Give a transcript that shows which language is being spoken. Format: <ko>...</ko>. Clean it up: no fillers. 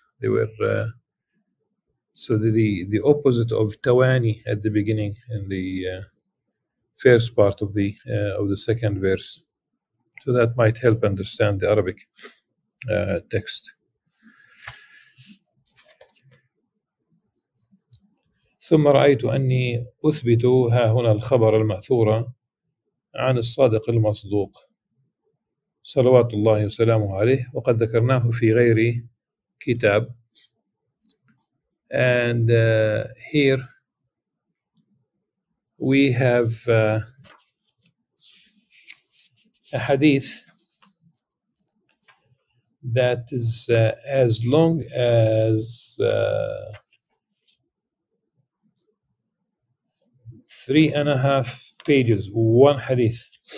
<en>They were so the opposite of Tawani at the beginning in the first part of the second verse. So that might help understand the Arabic text.</en> <ar>ثم رأيت أني أثبت ها هنا الخبر المأثور عن الصادق المصدوق صلوات الله وسلامه عليه, وقد ذكرناه في غير كتاب.</ar> <en>And here we have a hadith that is as long as 3.5 pages, one hadith.</en>